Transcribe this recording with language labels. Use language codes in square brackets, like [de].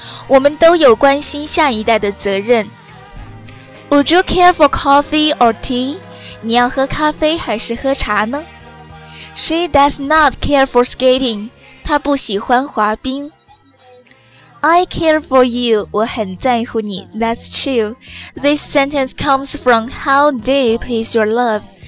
[zh] 我们都有关心下一代的责任。 [en] Would you care for coffee or tea? [zh] 你要喝咖啡还是喝茶呢？ [en] She does not care for skating. [zh] 她不喜欢滑冰。 [en] I care for you. [zh] 我很在乎你。 [en] That's true. This sentence comes from How Deep Is Your Love?